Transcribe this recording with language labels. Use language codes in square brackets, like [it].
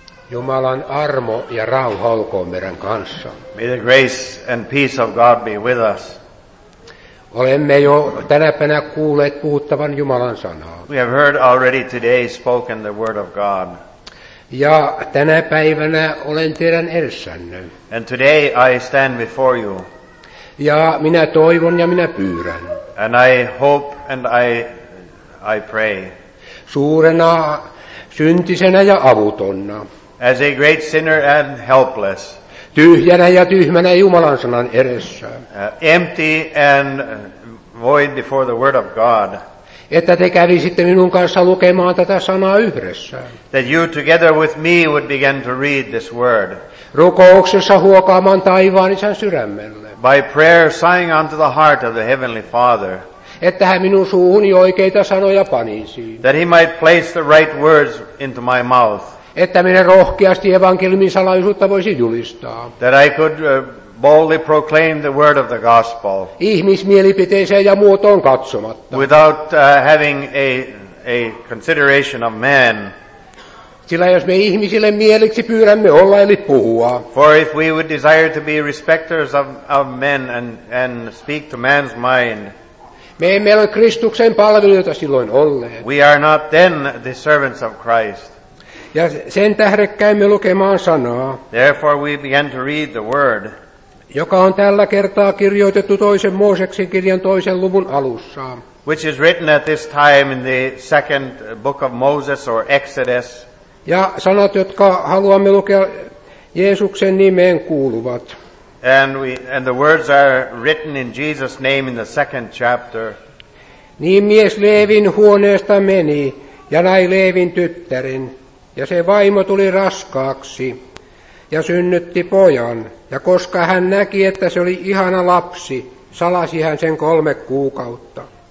[fi] Jumalan armo ja rauha olkoon meidän kanssa. [en] May the grace and peace of God be with us. [fi] Olemme jo tänäpänä kuulleet puhuttavan Jumalan sanaa. [en] We have heard already today spoken the word of God. [fi] Ja tänä päivänä olen teidän edessänne. [en] And today I stand before you. [fi] Ja minä toivon ja minä pyydän. [en] And I hope and I pray. [fi] Suurena syntisenä ja avutonna. [en] As a great sinner and helpless. [fi] Tyhjänä ja tyhmänä Jumalan sanan edessä. [en] Empty and void before the word of God. [fi] Että te kävisitte minun kanssa lukemaan tätä sanaa yhdessä. [en] That you together with me would begin to read this word. [fi] Rukouksessa huokaamaan taivaan isän sydämelle. [en] By prayer sighing unto the heart of the heavenly Father. [fi] Että hän minun suuhuni oikeita sanoja panisi. [en] That he might place the right words into my mouth. [fi] Että minä rohkeasti evankeliumin salaisuutta voisi julistaa. [en] That I could boldly proclaim the word of the gospel. [fi] Ihmismielipiteeseen ja muotoon katsomatta. [en] Without having a consideration of man. [fi] Sillä jos me ihmisille mieliksi pyydämme olla eli puhua. [en] For if we would desire to be respecters of men and speak to man's mind. [fi] Me emme ole Kristuksen palvelijoita silloin olleet. [en] We are not then the servants of Christ. [fi] Ja sen tähden käymme lukemaan sanaa. [en] Therefore we began to read the word. [fi] Joka on tällä kertaa kirjoitettu toisen Mooseksen kirjan toisen luvun alussa. [en] Which is written at this time in the second book of Moses or Exodus. [fi] Ja sanat, jotka haluamme lukea Jeesuksen nimeen kuuluvat. [en] And the words are written in Jesus' name in the second chapter. [fi] Niin mies Leevin huoneesta meni ja näi Leevin tyttärin. Ja se vaimo tuli raskaaksi ja synnytti pojan. Ja koska hän näki, että se oli ihana lapsi, salasi hän sen 3 kuukautta.